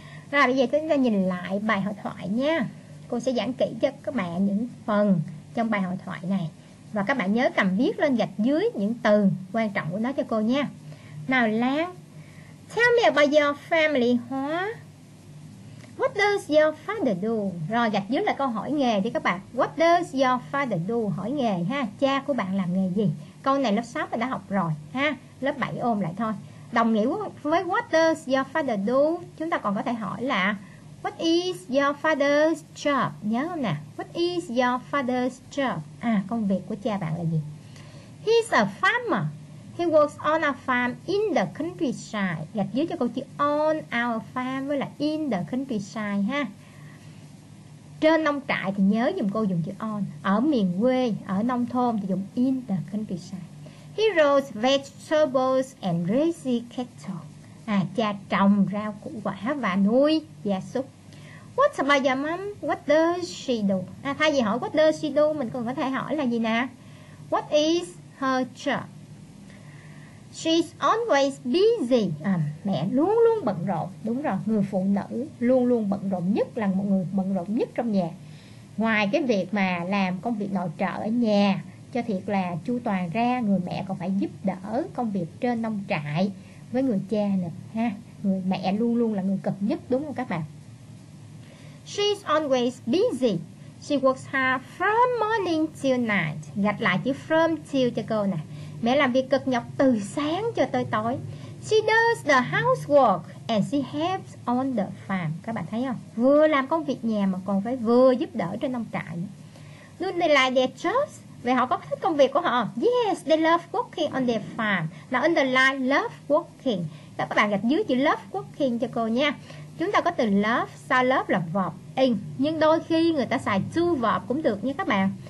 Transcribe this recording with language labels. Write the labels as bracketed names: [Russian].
[Vietnamese] Rồi bây giờ chúng ta nhìn lại bài hội thoại nha. Cô sẽ giảng kỹ cho các bạn những phần trong bài hội thoại này. Và các bạn nhớ cầm viết lên gạch dưới những từ quan trọng của nó cho cô nha. [English] Nào Lan, tell me about your family, Hoa. What does your father do? [Vietnamese] Rồi gạch dưới là câu hỏi nghề đi các bạn. [English] What does your father do? [Vietnamese] Hỏi nghề ha. Cha của bạn làm nghề gì? Câu này lớp 6 mình đã học rồi ha. Lớp 7 ôm lại thôi. Đồng nghĩa với [English] what does your father do, [Vietnamese] chúng ta còn có thể hỏi là [English] what is your father's job? [Vietnamese] Nhớ không nè? [English] What is your father's job? [Vietnamese] À, công việc của cha bạn là gì? [English] He's a farmer. He works on a farm in the countryside. [Vietnamese] Gạch dưới cho câu chữ [English] on our farm [Vietnamese] với là [English] in the countryside [Vietnamese] ha. Trên nông trại thì nhớ dùm cô dùng chữ on. Ở miền quê, ở nông thôn thì dùng [English] in the countryside. He grows vegetables and raises cattle. [Vietnamese] À, cha trồng rau củ quả và nuôi gia súc. [English] What about your mom? What does she do? [Vietnamese] À, thay vì hỏi [English] what does she do, [Vietnamese] mình còn có thể hỏi là gì nè? [English] What is her job? She's always busy. [Vietnamese] À, mẹ luôn luôn bận rộn. Đúng rồi, người phụ nữ luôn luôn bận rộn nhất, là một người bận rộn nhất trong nhà. Ngoài cái việc mà làm công việc nội trợ ở nhà cho thiệt là chu toàn ra, người mẹ còn phải giúp đỡ công việc trên nông trại với người cha nữa ha. Người mẹ luôn luôn là người cực nhất, đúng không các bạn? [English] She's always busy. She works hard from morning till night. [Vietnamese] Gạch lại chữ from till cho cô nè. Mẹ làm việc cực nhọc từ sáng cho tới tối. [English] She does the housework and she helps on the farm. [Vietnamese] Các bạn thấy không? Vừa làm công việc nhà mà còn phải vừa giúp đỡ trên nông trại. [English] Do they like their jobs? [Vietnamese] Vậy họ có thích công việc của họ? [English] Yes, they love working on their farm. Now underline love working. [Vietnamese] Các bạn gạch dưới chữ love working cho cô nha. Chúng ta có từ love, sau love là verb in. Nhưng đôi khi người ta xài to verb cũng được nha các bạn.